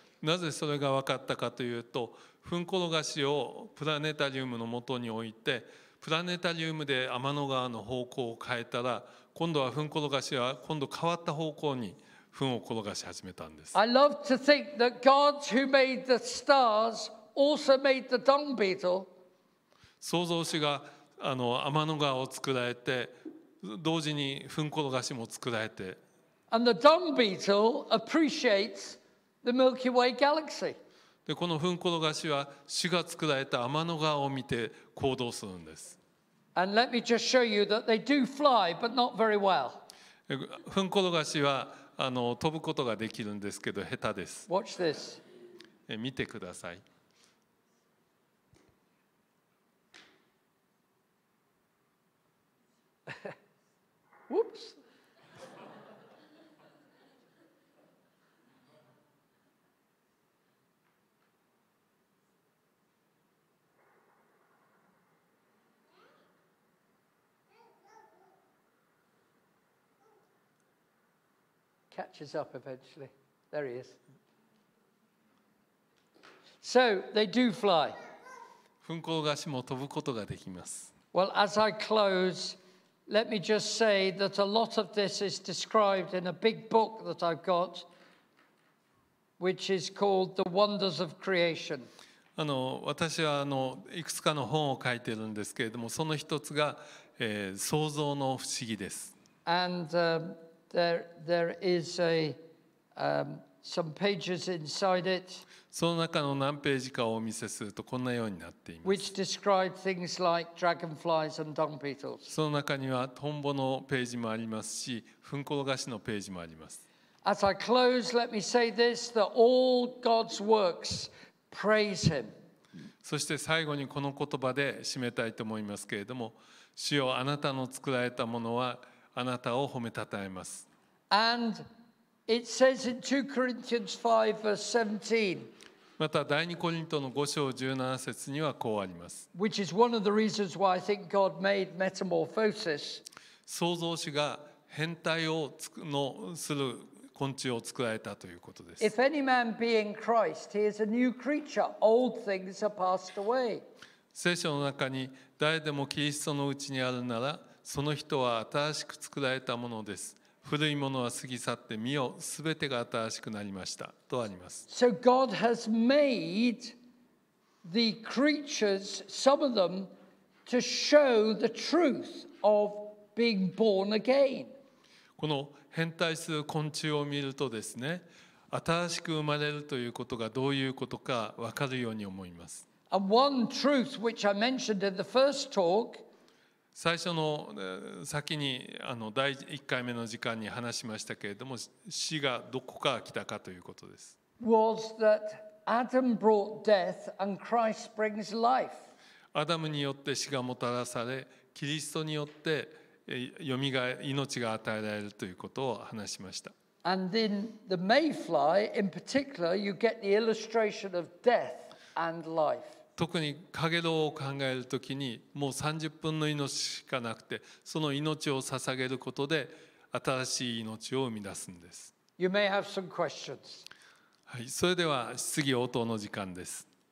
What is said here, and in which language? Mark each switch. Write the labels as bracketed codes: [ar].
[ja] なぜそれが分かったかというと。糞転がしをプラネタリウムの元に置いてプラネタリウムで天の川の方向を変えたら今度は糞転がしは今度変わった方向に糞を転がし始めたんです。 [en] I love to think that gods who made the stars also made the dung beetle. [ja] 創造主が天の川を作られて同時に糞転がしも作られて。 [en] And the dung beetle appreciates the Milky Way galaxy. [ja] でこの糞転がしは主が作られた天の川を見て行動するんです。 [en] And let me just show you that they do fly, but not very well. [ja] 糞転がしは飛ぶことができるんですけど下手です。 [en] Watch this. [ja] 見てください。 [en] Whoops. Catches up eventually. There he is. So they do fly. [ja] 糞転がしも飛ぶことができます。 [en] Well, as I close, let me just say that a lot of this is described in a big book that I've got, which is called The Wonders of Creation. [ja] 私はいくつかの本を書いているんですけれども、その一つが、創造の不思議です。 [en] And, There is a, some pages inside it. [ja] その中の何ページかをお見せするとこんなようになっています。 [en] Which describe things like dragonflies and dung beetles. [ja] その中にはトンボのページもありますし、糞転がしのページもあります。 [en] As I close, let me say this: that all God's works praise Him. [ja] そして最後にこの言葉で締めたいと思いますけれども、主よ、あなたの作られたものは。あなたを褒めたたえます。 [en] And it says in 2 Corinthians 5 verse 17. [ja] また第二コリントの5章17節にはこうあります。 [en] Which is one of the reasons why I think God made metamorphosis. [ja] 創造主が変態をする昆虫を作られたということです。 [en] If any man be in Christ, he is a new creature. Old things are passed away. [ja] 聖書の中に誰でもキリストのうちにあるなら。その人は新しく作られたものです。古いものは過ぎ去って、見よ、すべてが新しくなりましたとあります。 [en] So God has made the creatures, some of them, to show the truth of being born again. [ja] この変態する昆虫を見るとですね、新しく生まれるということがどういうことかわかるように思います。 [en] And one truth which I mentioned in the first talk. [ja] 最初の先に第1回目の時間に話しましたけれども死がどこから来たかということです。 [en] Was that Adam brought death and Christ brings life? [ja] アダムによって死がもたらされ、キリストによって命が与えられるということを話しました。 [en] And then the mayfly, in particular, you get the illustration of death and life. [ja] 特にカゲロウを考えるときに、もう30分の命しかなくて、その命を捧げることで新しい命を生み出すんです。 [en] You may have some questions. [ja] はい、それでは質疑応答の時間です。